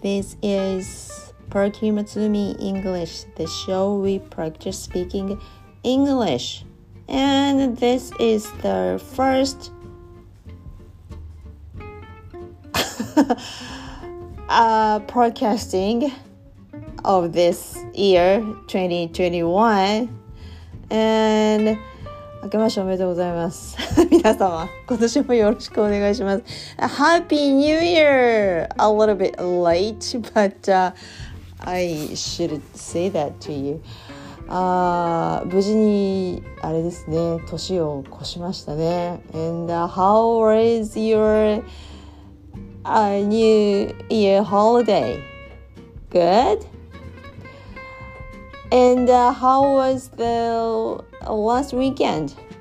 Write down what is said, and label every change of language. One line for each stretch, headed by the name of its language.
English: This is Perky Matsumi English, the show we practice speaking English. And this is the first podcasting of this year, 2021. And...
Japanese: 明けましておめでとうございます。皆様、今年もよろしくお願いします。
English: Happy New Year! A little bit late, but、I should say that to you.
Japanese: 無事に、あれですね、年を越しましたね。
English: And、how is your、 New Year holiday? Good? And、how was the last weekend?